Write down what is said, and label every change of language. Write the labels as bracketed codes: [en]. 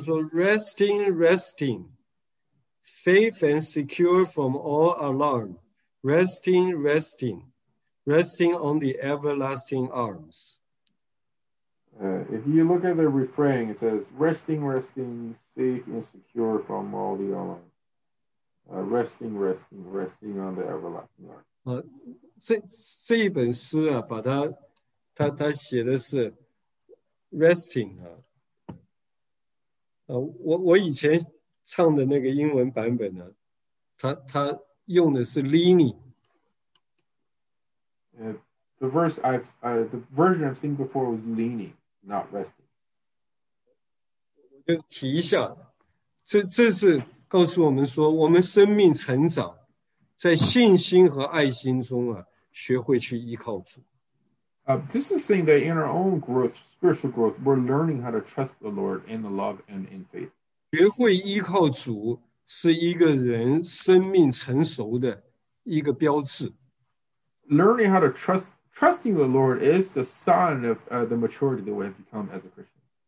[en] Resting, resting, safe and secure from all alarm, resting, resting, resting on the everlasting arms. If you look at the refrain, it says, resting, resting, safe and secure from all the alarm, resting, resting, resting on the everlasting arms. [zh] 这一本诗啊，把它。他写的是 resting 啊，我以前唱的那个英文版本呢，他用的是 leaning。 [en] The verse I've the version I've seen before was leaning, not resting. [zh] 我就提一下，这是告诉我们说，我们生命成长在信心和爱心中啊，学会去依靠主。 [en] This is saying that in our own growth, spiritual growth, we're learning how to trust the Lord in the love and in faith. [zh] 学会依靠主是一个人生命成熟的一个标志。 [en] Learning how to trusting the Lord is the sign of the maturity that we have become as a Christian.